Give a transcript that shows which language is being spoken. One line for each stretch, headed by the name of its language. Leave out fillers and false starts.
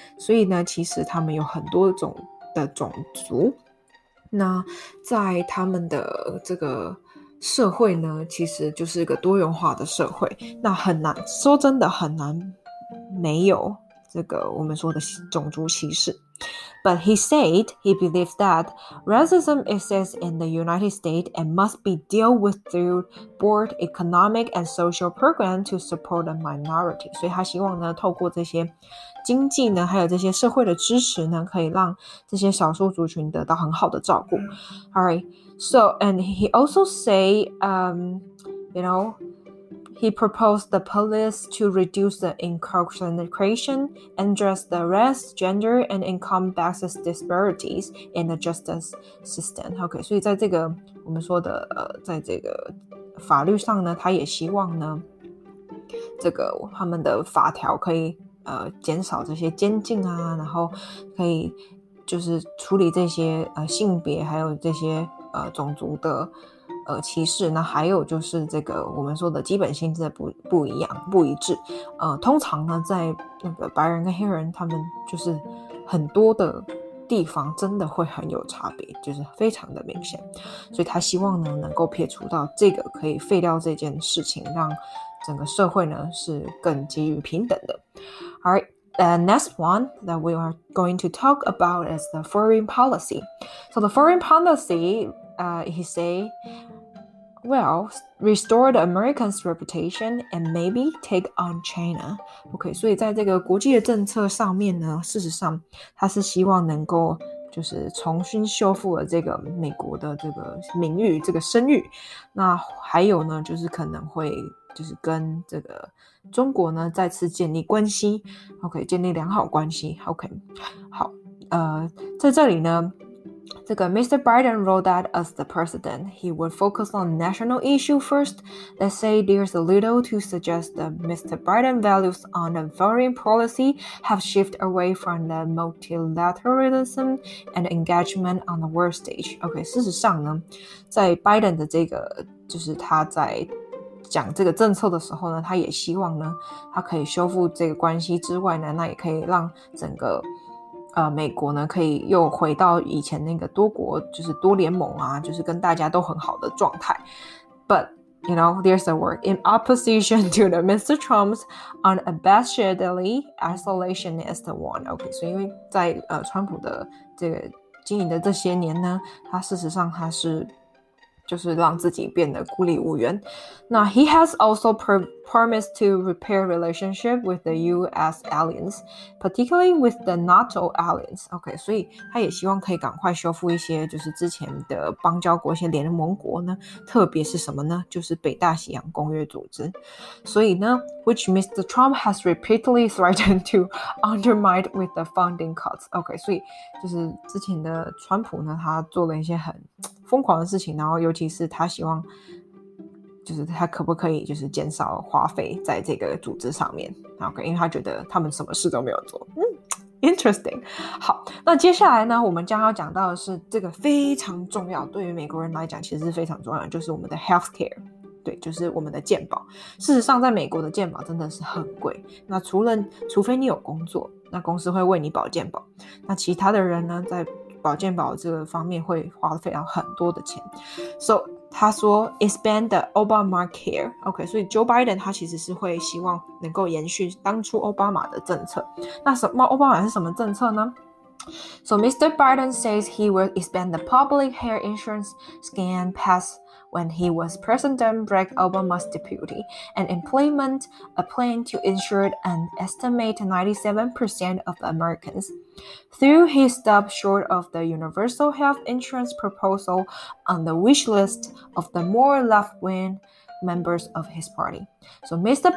Chinese: 所以呢，其实他们有很多种的种族。那在他们的这个社会呢，其实就是一个多元化的社会。那很难说，真的很难没有这个我们说的种族歧视。
English: But he said he believes that racism exists in the United States and must be dealt with through broad economic and social programs to support the minority.
Chinese: 所以他希望呢，透过这些经济呢，还有这些社会的支持呢，可以让这些少数族群得到很好的照顾。
English: All right. So, and he also say, you know,He proposed the police to reduce the incarceration, address the race, gender, and income basis disparities in the justice system.
Chinese: Okay, 所以在这个我们说的在这个法律上呢，他也希望呢，这个他们的法条可以减少这些监禁啊，然后可以就是处理这些性别还有这些种族的。歧视，那还有就是这个我们说的基本薪资的不一样不一致，通常呢在那个白人跟黑人他们就是很多的地方真的会很有差别，就是非常的明显，所以他希望呢能够撇除到这个，可以废掉这件事情，让整个社会呢是更基于平等的。
English: The next one that we are going to talk about is the foreign policy. So the foreign policyHe say, well, restore the American's reputation and maybe take on China.
Chinese: OK, 所以在这个国际的政策上面呢，事实上他是希望能够就是重新修复了这个美国的这个名誉这个声誉。那还有呢，就是可能会就是跟这个中国呢再次建立关系。 OK, 建立良好关系。OK, 好，在这里呢这个 Mr.
English: Biden wrote that as the president, he would focus on national issue first. Let's say there's a little to suggest that Mr. Biden values on the foreign policy have shifted away from the multilateralism and engagement on the world stage.
Chinese: Okay, 事实上呢，在 Biden 的这个，就是他在讲这个政策的时候呢，他也希望呢，他可以修复这个关系之外呢，那也可以让整个美国呢可以又回到以前那个多国就是多联盟啊，就是跟大家都很好的状态。
English: But, you know, there's a word in opposition to the Mr. Trump's unabashedly isolationist one.
Chinese: OK, 所以因为在川普的这个经营的这些年呢，他事实上他是就是让自己变得孤立无援。
English: 那 he has also promised to repair relationship with the U.S. aliens, particularly with the NATO aliens.
Chinese: OK, 所以他也希望可以赶快修复一些就是之前的邦交国，一些联盟国呢，特别是什么呢？就是北大西洋公约组织。所以呢
English: ，which Mr. Trump has repeatedly threatened to undermine with the funding cuts.
Chinese: OK, 所以就是之前的川普呢，他做了一些很疯狂的事情，然后尤其是他希望就是他可不可以就是减少花费在这个组织上面， OK, 因为他觉得他们什么事都没有做。
English: Interesting.
Chinese: 好，那接下来呢，我们将要讲到的是这个非常重要，对于美国人来讲其实是非常重要的，就是我们的 healthcare。对，就是我们的健保。事实上，在美国的健保真的是很贵。那除非你有工作，那公司会为你保健保。那其他的人呢，在保健保这个方面会花非常很多的钱。 So 他说
English: expand the Obamacare。
Chinese: OK， 所以 Joe Biden 他其实是会希望能够延续当初奥巴马的政策。那什么奥巴马是什么政策呢？
English: So Mr. Biden says he will expand the public health insurance scheme past when he was President Barack Obama's deputy and implement a plan to insure an estimated 97% of Americans. Though he stopped short of the universal health insurance proposal on the wish list of the more left-wing members of his party. So Mr.